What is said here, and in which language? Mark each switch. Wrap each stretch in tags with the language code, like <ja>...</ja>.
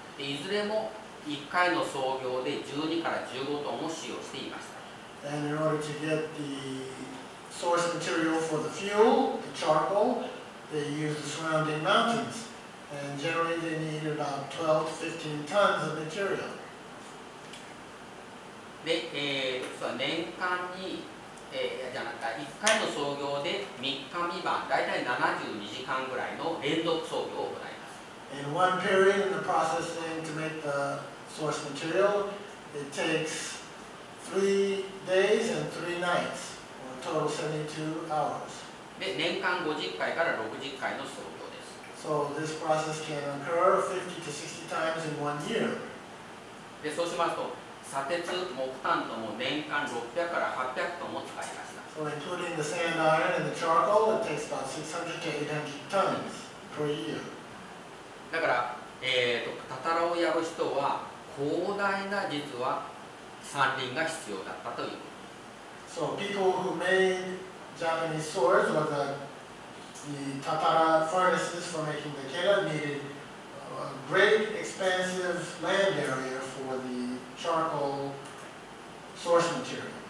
<ja>で、いずれも1回の操業で12から15トンを使用していました。</ja> <en>And in order to get the source material for the fuel, the charcoal, they used the surrounding mountains. And generally they needed about 12 to 15 tons of material.</en> <ja>で、年間に、1回の操業で3日未満、大体72時間ぐらいの連続操業を行います。</ja> <en>In one period in the processing to make the source material, it takes 3 days and 3 nights, or a total of 72 hours.</en> <ja>で、年間50回から60回の操業です。</ja> <en>So this process can occur 50 to 60 times in 1 year.</en> <ja>で、そうしますと、砂鉄、木炭とも年間600から800トンも使いました。</ja> <en>So including the sand iron and the charcoal, it takes about 600 to 800 tons per year.</en> <ja>だから、タタラをやる人は広大な実は山林が必要だったということ。</ja> <en>So people who made Japanese swords or the Tatara furnaces for making the Kera needed a great expansive land area for the charcoal source material.</en>